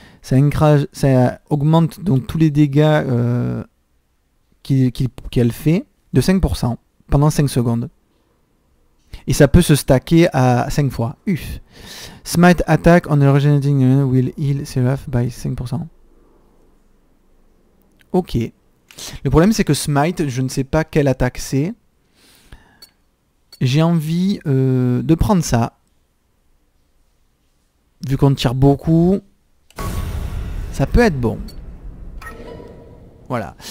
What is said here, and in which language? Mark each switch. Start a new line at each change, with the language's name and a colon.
French: Ça augmente donc tous les dégâts qu'elle fait de 5% pendant 5 secondes. Et ça peut se stacker à 5 fois. Uf.
English: Smite attack on regenerating will heal Seraph by 5%.
French: Ok. Le problème c'est que smite, je ne sais pas quelle attaque c'est. J'ai envie de prendre ça. Vu qu'on tire beaucoup. Ça peut être bon. Voilà.